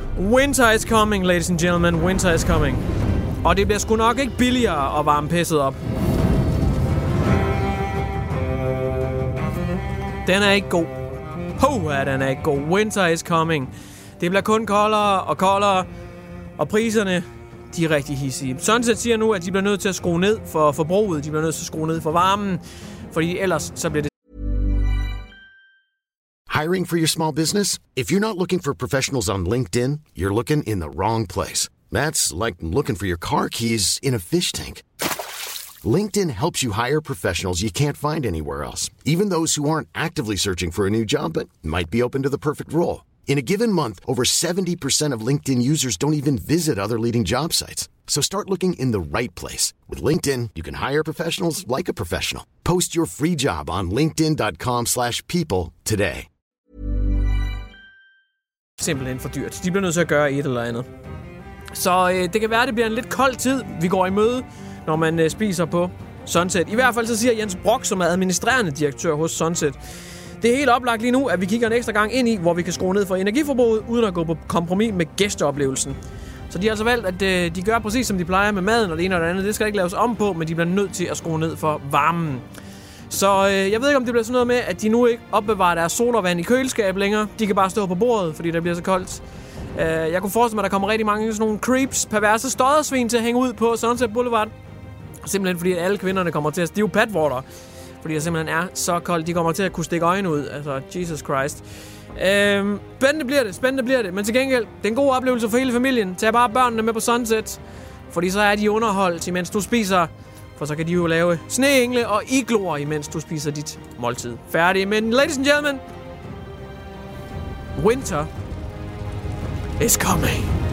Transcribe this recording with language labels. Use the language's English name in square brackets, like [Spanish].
[English] Winter is coming, ladies and gentlemen. Winter is coming. [Danish] Og det bliver sgu nok ikke billigere at varme pisset op. Den er ikke god. Puh, den er ikke god. [English] Winter is coming. [Danish] Det bliver kun koldere og koldere. Og priserne, de er rigtig hissige. Sunset siger nu, at de bliver nødt til at skrue ned for forbruget. De bliver nødt til at skrue ned for varmen. Fordi ellers så bliver det... [English] Hiring for your small business? If you're not looking for professionals on LinkedIn, you're looking in the wrong place. That's like looking for your car keys in a fish tank. LinkedIn helps you hire professionals you can't find anywhere else, even those who aren't actively searching for a new job but might be open to the perfect role. In a given month, over 70% of LinkedIn users don't even visit other leading job sites. So start looking in the right place. With LinkedIn, you can hire professionals like a professional. Post your free job on linkedin.com/people today. [Danish] Simpelthen for dyrt. De bliver nødt til at gøre et eller andet. Så det kan være, det bliver en lidt kold tid, vi går i møde, når man spiser på Sunset. I hvert fald så siger Jens Brock, som er administrerende direktør hos Sunset. Det er helt oplagt lige nu, at vi kigger en ekstra gang ind i, hvor vi kan skrue ned for energiforbruget, uden at gå på kompromis med gæsteoplevelsen. Så de har altså valgt, at de gør præcis, som de plejer med maden og det ene og det andet. Det skal ikke laves om på, men de bliver nødt til at skrue ned for varmen. Så jeg ved ikke, om det bliver sådan noget med, at de nu ikke opbevarer deres solarvand i køleskab længere. De kan bare stå på bordet, fordi det bliver så koldt. Jeg kunne forestille mig, at der kommer rigtig mange sådan nogle creeps, perverse støddersvin til at hænge ud på Sunset Boulevard. Simpelthen fordi, at alle kvinderne kommer til at stive padwater. Fordi det simpelthen er så koldt, de kommer til at kunne stikke øjnene ud. Altså, Jesus Christ. Spændende bliver det, spændende bliver det. Men til gengæld, det er en god oplevelse for hele familien. Tag bare børnene med på Sunset. Fordi så er de underholdt, imens du spiser. For så kan de jo lave sneengle og igloer, imens du spiser dit måltid. Færdig. [English] Men ladies and gentlemen, winter is coming.